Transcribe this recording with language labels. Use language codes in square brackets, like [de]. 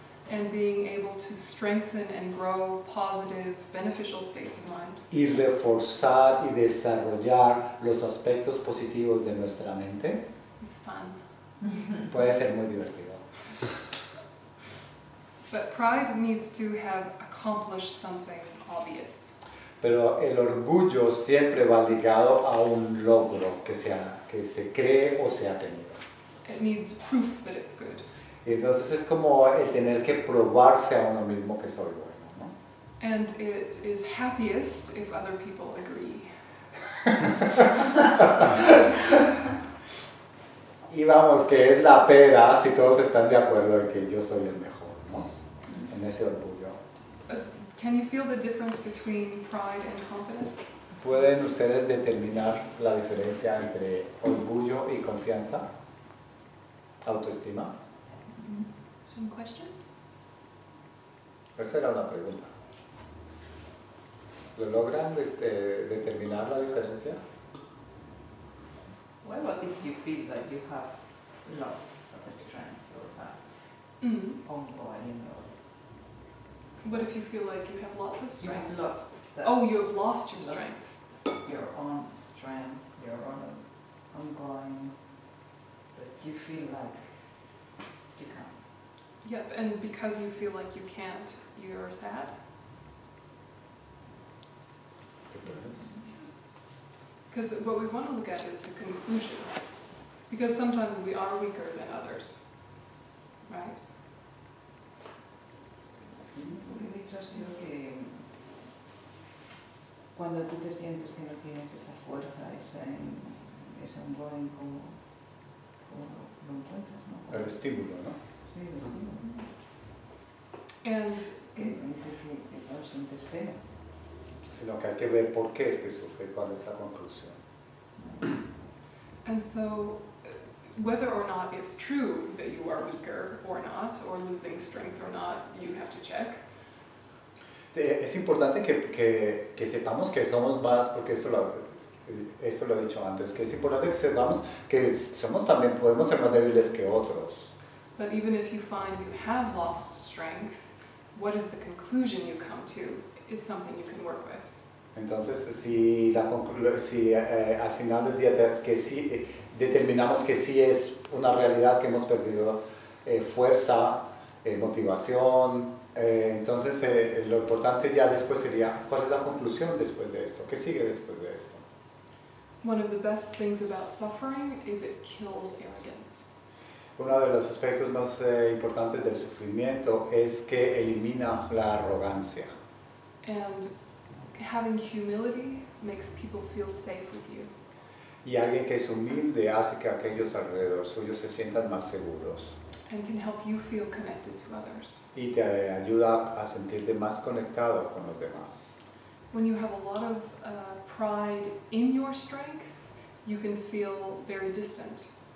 [en] And being able to strengthen and grow positive, beneficial states of mind. [es] Y reforzar y desarrollar los aspectos positivos de nuestra mente. [en] It's fun. [es] Puede ser muy divertido. [en] But pride needs to have accomplished something obvious. [es] Pero el orgullo siempre va ligado a un logro que se cree o se ha tenido. [en] It needs proof that it's good. [es] Y entonces es como el tener que probarse a uno mismo que soy bueno, ¿no? [en] And it is happiest if other people agree. [es] Y vamos, que es la pera si todos están de acuerdo en que yo soy el mejor, ¿no? En ese orgullo. [en] Can you feel the difference between pride and confidence? [es] ¿Pueden ustedes determinar la diferencia entre orgullo y confianza? ¿Autoestima? [en] Same question? [es] Esa era una pregunta. ¿Lo logran determinar la diferencia? [en] What about if you feel that you have lost the strength or that ongoing? What if you feel like you have lots of strength? You have lost that. Oh, you have lost your strength. Your own strength, your own ongoing. But you feel like you can't. Yep, and because you feel like you can't, you're sad. Because what we want to look at is the conclusion. Because sometimes we are weaker than others, right? [es] He dicho ha sido que cuando tú te sientes que no tienes esa fuerza, ese ongoing, como lo encuentras, ¿no? El estímulo, ¿no? Sí, el estímulo. [en] And [es] que dice que no sientes pena. Sino que hay que ver por qué es que surge, cuál es la conclusión. [en] And so, whether or not it's true that you are weaker or not, or losing strength or not, you have to check. [es] Es importante que sepamos que somos más, porque esto lo he dicho antes, que es importante que sepamos que somos también, podemos ser más débiles que otros. [en] But even if you find you have lost strength, what is the conclusion you come to is something you can work with. [es] Entonces, si al final del día determinamos que sí es una realidad que hemos perdido fuerza, motivación, entonces lo importante ya después sería, ¿cuál es la conclusión después de esto? ¿Qué sigue después de esto? [en] One of the best things about suffering is it kills arrogance. [es] Uno de los aspectos más importantes del sufrimiento es que elimina la arrogancia. [en] And having humility makes people feel safe with you. [es] Y alguien que es humilde hace que aquellos alrededor suyos se sientan más seguros. [en] And can help you feel connected to others. [es] Y te ayuda a sentirte más conectado con los demás. [en] When you have a lot of pride in your strength, you can feel very distant.